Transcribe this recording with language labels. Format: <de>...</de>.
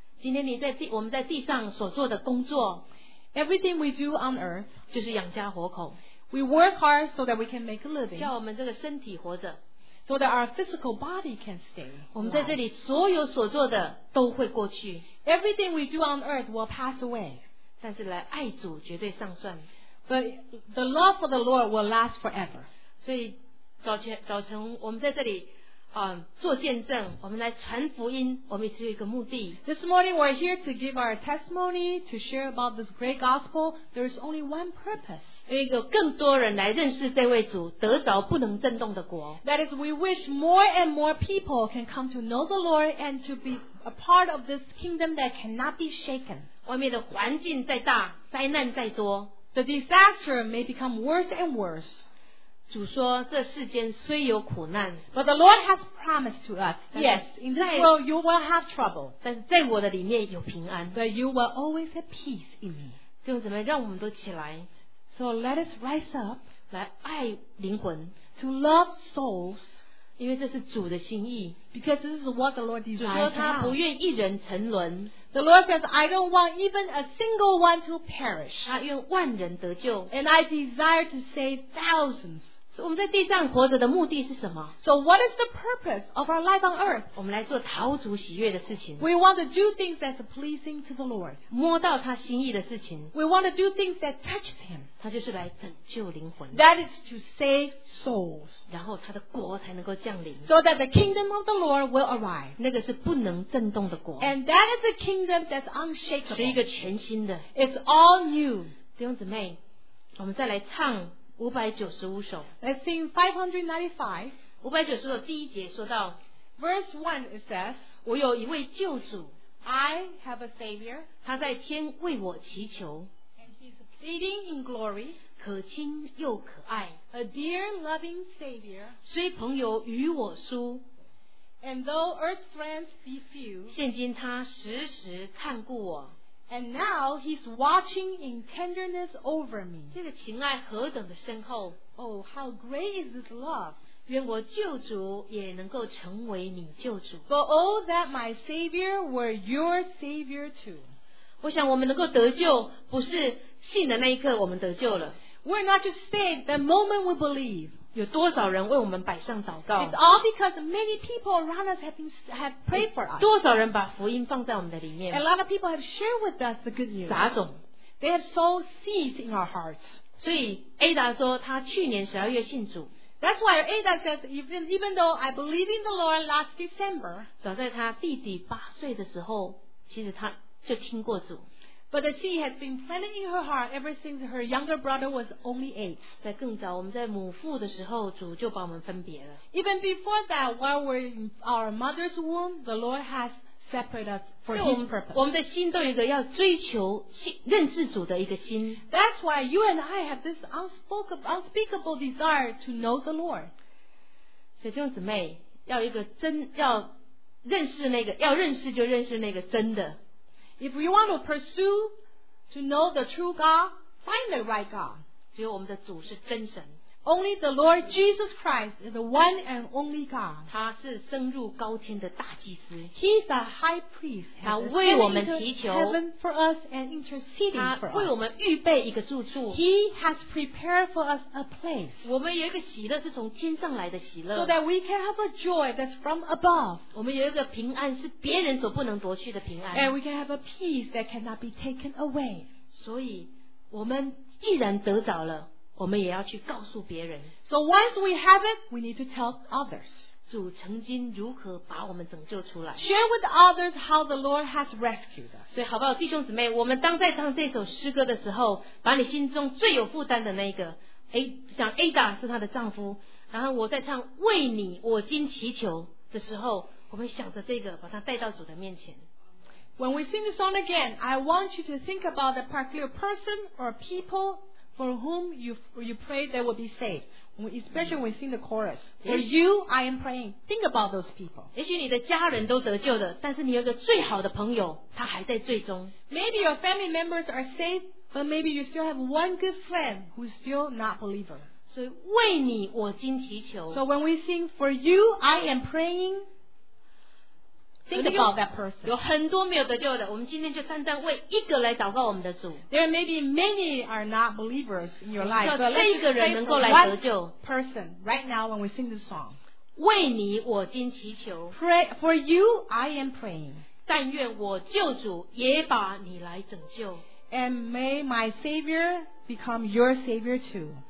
<zh>今天我们在地上所做的工作</zh> <en>Everything we do on earth</en> <zh>就是养家活口。</zh> <en>We work hard so that we can make a living.</en> <zh>叫我们这个身体活着。</zh> <en>So that our physical body can stay.</en> <zh>我们在这里所有所做的都会过去。</zh> <en>Everything we do on earth will pass away.</en> <zh>但是来爱主绝对上算。</zh> <en>But the love for the Lord will last forever.</en> <zh>所以早晨我们在这里做见证，我们来传福音，我们只有一个目的。</zh> <en>This morning we're here to give our testimony, to share about this great gospel. There is only one purpose.</en> <zh>因为有更多人来认识这位主，得着不能震动的国。</zh> <en>That is, we wish more and more people can come to know the Lord and to be a part of this kingdom that cannot be shaken.</en> <zh>外面的环境再大，灾难再多</zh> <en>，The disaster may become worse and worse.</en> <zh>主说这世间虽有苦难</zh> <en>But the Lord has promised to us Yes, in this world you will have trouble</en> <zh>但是在我的里面有平安</zh> <en>But you will always have peace in me</en> <zh>弟兄姊妹让我们都起来</zh> <en>So let us rise up</en> <zh>来爱灵魂</zh> <en>To love souls</en> <zh>因为这是主的心意</zh> <en>Because this is what the Lord desires</en> <zh>主说他不愿一人沉沦</zh> <en>The Lord says I don't want even a single one to perish</en> <zh>他愿万人得救</zh> <en>And I desire to save thousands</en> <zh>我们在地上活着的目的是什么</zh> <en>So what is the purpose of our life on earth?</en> <zh>我们来做讨主喜悦的事情</zh> <en>We want to do things that's pleasing to the Lord</en> <zh>摸到他心意的事情</zh> <en>We want to do things that touches him</en> <zh>他就是来拯救灵魂</zh> <en>That is to save souls</en> <zh>然后他的国才能够降临</zh> <en>So that the kingdom of the Lord will arrive</en> <zh>那个是不能震动的国</zh> <en>And that is a kingdom that's unshakable</en> <zh>是一个全新的</zh> <en>It's all new</en> <zh>弟兄姊妹我们再来唱595首</zh> <en>Let's sing 595</en> <zh>590首第一节说到</zh> <en>Verse 1 it says</en> <zh>我有一位救主</zh> <en>I have a savior</en> <zh>他在天为我祈求</zh> <en>And he's pleading in glory</en> <zh>可亲又可爱</zh> <en>A dear loving savior</en> <zh>虽朋友与我疏</zh> <en>And though earth friends be few</en> <zh>现今他时时看顾我</zh> <en>And now he's watching in tenderness over me.</en> <zh>这个情爱何等的深厚</zh> <en>Oh, how great is this love.</en> <zh>愿我救主也能够成为你救主</zh> <en>For all that my Savior were your Savior too.</en> <zh>我想我们能够得救不是信的那一刻我们得救了</zh> <en>We're not just saved the moment we believe.</en> <zh>有多少人为我们摆上祷告</zh> <en>It's all because many people around us have prayed for us</en> <zh>多少人把福音放在我们的里面</zh> <en>A lot of people have shared with us the good news</en> <zh>杂种</zh> <en>They have sown seeds in our hearts</en> <zh>所以 Ada 说她去年12月信主</zh> <en>That's why Ada says even though I believe in the Lord last December</en> <zh>早在她弟弟八岁的时候其实她就听过主</zh> <en>But the seed has been planted in her heart ever since her younger brother was only 8</en> <zh>在更早我们在母腹的时候主就把我们分别了</zh> <en>Even before that while we're in our mother's womb the Lord has separated us for his purpose</en> <zh>我们的心都有一个要追求认识主的一个心</zh> <en>That's why you and I have this unspeakable desire to know the Lord</en> <zh>所以弟兄姊妹要一个真要认识那个要认识就认识那个真的</zh> <en>If we want to pursue to know the true God find the right God</en> <zh>只有我们的主是真神</zh> <en>Only the Lord Jesus Christ is the one and only God</en> <zh>他是升入高天的大祭司</zh> <en>He is the high priest</en> <zh>他为我们祈求</zh> <en>heaven for us and interceding for us</en> <zh>他为我们预备一个住处</zh> <en>He has prepared for us a place</en> <zh>我们有一个喜乐是从天上来的喜乐</zh> <en>So that we can have a joy that's from above</en> <zh>我们有一个平安是别人所不能夺去的平安</zh> <en>And we can have a peace that cannot be taken away</en> <zh>所以我们既然得着了我们也要去告诉别人</zh> <en>So once we have it We need to tell others</en> <zh>主曾经如何把我们拯救出来</zh> <en>Share with others How the Lord has rescued us</en> <zh>所以好不好弟兄姊妹我们当在唱这首诗歌的时候把你心中最有负担的那个像 Ada 是她的丈夫然后我在唱为你我今祈求的时候我们想着这个把它带到主的面前</zh> <en>When we sing the song again I want you to think about the particular person or peoplefor whom you pray they will be saved especially when we sing the chorus for you I am praying think about those people</en> <zh>也许你的家人都得救了但是你有一个最好的朋友他还在罪中</zh> <en>maybe your family members are saved but maybe you still have one good friend who is still not believer</en> <zh>所以为你我今祈求</zh> <en>so when we sing for you I am praying Think about that person.</en> <zh>有很多没有得救的，我们今天就单单为一个来祷告我们的主。</zh> <en>There may be many are not believers in your life, but</en> <zh>这一个人能够来得救。</zh> <en>Person, right now when we sing this song.</en> <zh>为你我今祈求。</zh> <en>Pray for you, I am praying.</en> <zh>但愿我救主也把你来拯救。</zh> <en>And may my Savior become your Savior too.</en>